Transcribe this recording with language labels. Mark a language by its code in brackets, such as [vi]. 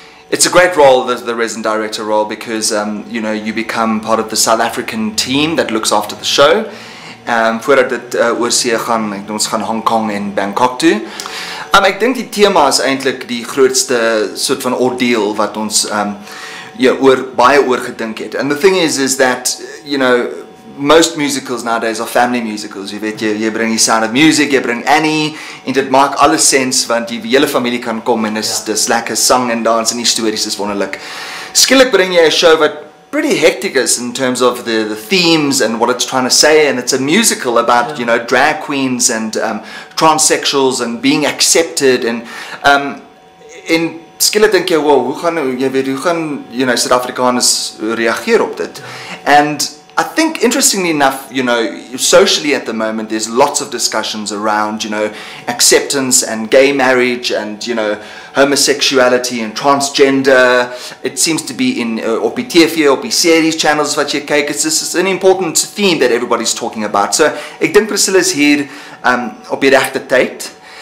[en] It's a great role, the resident director role, because you know, you become part of the South African team that looks after the show. [af] Voordat dit oorsee gaan, ons gaan Hong Kong en Bangkok toe. Ek dink die tema is eintlik die grootste soort van ordeal wat ons baie oor gedink het. [en] And the thing is that, you know, most musicals nowadays are family musicals. [af] You weet, jy bring die Sound of Music, jy bring Annie, en dit maak alles sens, want die hele familie kan kom, en dis lekker sang en dans, en die stories is wonderlik. Skielik bring jy 'n show wat [en] pretty hectic is in terms of the themes and what it's trying to say, and it's a musical about, you know, drag queens and transsexuals and being accepted, and [af] in skielik dink jy, wow, hoe gaan, [en] you know, [af] Suid-Afrikaners reageer op dit? [en] And I think, interestingly enough, you know, socially at the moment, there's lots of discussions around, you know, acceptance and gay marriage and, you know, homosexuality and transgender. It seems to be in OPTF or OP series channels, [af] wat jy kyk. [en] It's an important theme that everybody's talking about. [af] So, ek dink Priscilla is hier op die regte tyd.